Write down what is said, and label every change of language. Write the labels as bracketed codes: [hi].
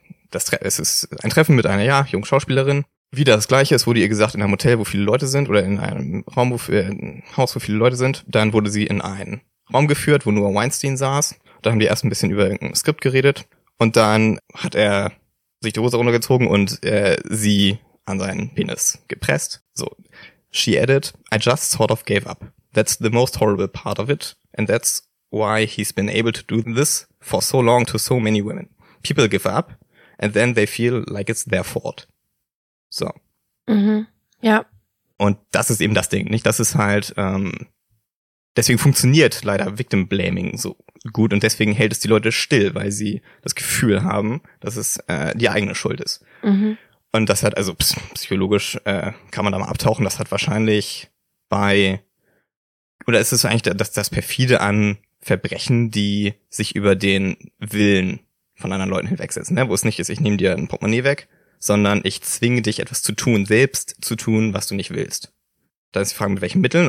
[de] es ist ein Treffen mit einer, ja, jungen Schauspielerin. Wieder das Gleiche, es wurde ihr gesagt, in einem Hotel, wo viele Leute sind, oder in einem Raum, wo, in einem Haus, wo viele Leute sind. Dann wurde sie in einen Raum geführt, wo nur Weinstein saß. Und da haben die erst ein bisschen über ein Skript geredet. Und dann hat er sich die Hose runtergezogen und sie an seinen Penis gepresst. [en] So, she added, I just sort of gave up. That's the most horrible part of it. And that's why he's been able to do this for so long to so many women. People give up and then they feel like it's their fault. So. [de] Mhm. Ja. Und das ist eben das Ding, nicht? Das ist halt, deswegen funktioniert leider Victim Blaming so gut und deswegen hält es die Leute still, weil sie das Gefühl haben, dass es die eigene Schuld ist. Mhm. Und das hat, also psychologisch kann man da mal abtauchen, das hat wahrscheinlich bei, oder ist es eigentlich das perfide an Verbrechen, die sich über den Willen von anderen Leuten hinwegsetzen, ne? Wo es nicht ist, ich nehme dir ein Portemonnaie weg, sondern ich zwinge dich, etwas zu tun, selbst zu tun, was du nicht willst. Da ist die Frage, mit welchen Mitteln?